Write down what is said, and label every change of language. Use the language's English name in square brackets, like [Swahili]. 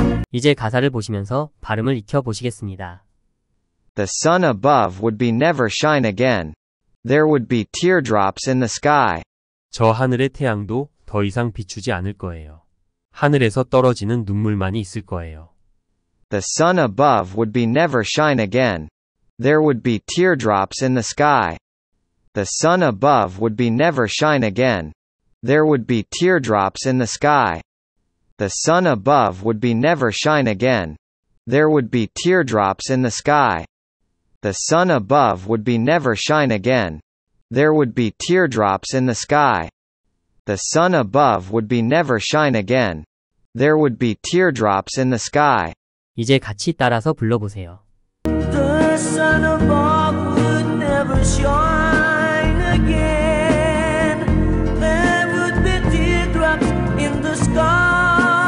[Korean] 이제 가사를 보시면서 발음을 익혀 보시겠습니다. [English] The sun above would be never shine again. There would be teardrops in the sky. [Korean] 저 하늘의 태양도 더 이상 비추지 않을 거예요. 하늘에서 떨어지는 눈물만이 있을 거예요. [English] The sun above would be never shine again. There would be teardrops in the sky. The sun above would be never shine again. There would be teardrops in the sky. The sun above would be never shine again. There would be teardrops in the sky. The sun above would be never shine again. There would be teardrops in the sky. The sun above would be never shine again. There would be teardrops in the sky. [Korean] 이제 같이 따라서 불러보세요. [English] The sun above would never shine again. There would be teardrops in the sky.